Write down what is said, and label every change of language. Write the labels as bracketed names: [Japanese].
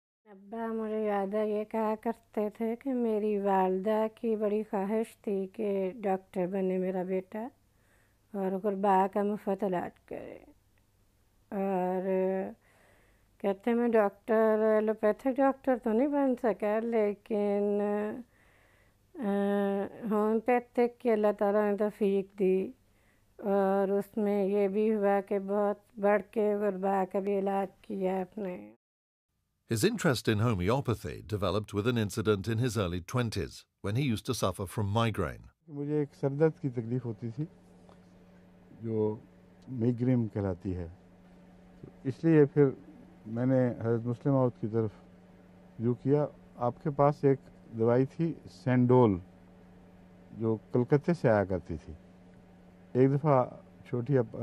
[Urdu] ابا مجھے یاد ہے یہ کہا کرتے تھے کہ میری والدہ کی بڑی خواہش تھی کہ ڈاکٹر بنے میرا بیٹا اور غربا کا مفت علاج کرے اور کہتے ہیں میں ڈاکٹر ایلوپیتھک ڈاکٹر تو نہیں بن سکا لیکن ہومیوپیتھک کی اللہ تعالیٰ نے توفیق دی اور اس میں یہ بھی ہوا کہ بہت بڑھ کے غربا کا بھی علاج کیا اپنے [English] His interest in homeopathy developed with an incident in his early 20s when he used to suffer from migraine. [Urdu] مجھے ایک سر درد کی تکلیف ہوتی تھی جو میگرین کہلاتی ہے اس لیے پھر میں نے حضرت مسلم موت کی طرف رجوع کیا آپ کے پاس ایک دوائی تھی سینڈول جو کلکتے سے آیا کرتی تھی ایک دفعہ چھوٹی